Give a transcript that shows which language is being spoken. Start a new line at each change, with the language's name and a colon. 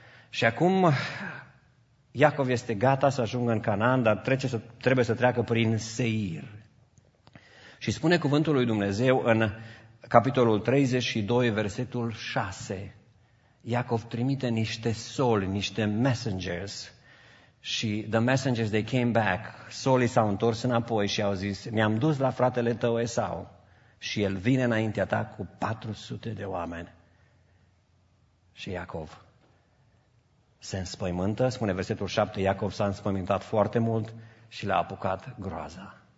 Romanian: Și acum Iacov este gata să ajungă în Canaan, dar trebuie să treacă prin Seir. Și spune cuvântul lui Dumnezeu în capitolul 32, versetul 6. Iacov trimite niște soli, niște messengers.
English: Și the messengers, they came back.
Romanian: Solii s-au întors înapoi și au zis, ne-am dus la fratele tău Esau și el vine înaintea ta cu 400 de oameni. Și Iacov se înspăimântă, spune versetul 7, Iacov s-a înspăimântat foarte mult și l-a apucat groaza.